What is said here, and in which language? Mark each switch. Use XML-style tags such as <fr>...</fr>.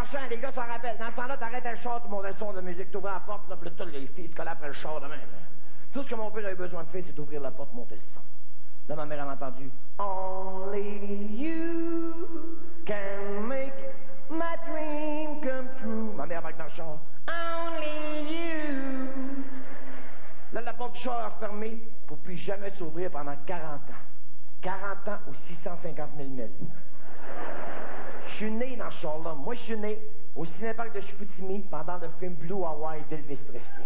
<fr>Les gars s'en rappellent. Dans ce temps-là, t'arrêtes un char, tu montes le son de musique, t'ouvres la porte, là, plutôt les filles se collent après le char de même. Tout ce que mon père avait besoin de faire, c'est d'ouvrir la porte, monter le son. Là, ma mère a entendu.</fr> <en>Only you can make my dream come true.</en> <fr>Ma mère avec dans le char.</fr> <en>Only you.</en> <fr>Là, la porte du char a refermé pour plus jamais s'ouvrir pendant 40 ans. 40 ans ou 650 000 milles. Je suis né dans ce genre-là. Moi, je suis né au cinéparc de Chicoutimi pendant le film Blue Hawaii d'Elvis Presley.</fr>